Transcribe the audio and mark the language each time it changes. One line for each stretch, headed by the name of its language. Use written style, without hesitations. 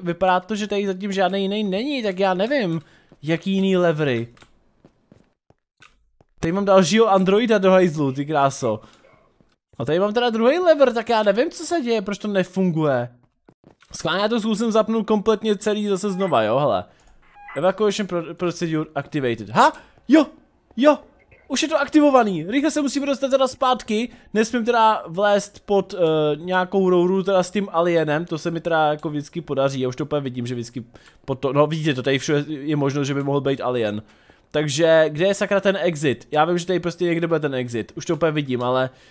Czech: Vypadá to, že tady zatím žádný jiný není, tak já nevím, jaký jiný levery. Tady mám dalšího androida do hajzlu, ty kráso. A tady mám teda druhý lever, tak já nevím, co se děje, proč to nefunguje. Skválně já to zkusím zapnout kompletně celý zase znova, jo, hele.
English: Evacuation procedure activated.
Czech: Ha? Jo. Už je to aktivovaný. Rychle se musíme dostat teda zpátky. Nesmím teda vlézt pod nějakou rouru teda s tím alienem. To se mi teda jako vždycky podaří. Já už to úplně vidím, že vždycky pod to... No vidíte to, tady všude je možnost, že by mohl být alien. Takže, kde je sakra ten exit? Já vím, že tady prostě někde bude ten exit. Už to úplně vidím, ale...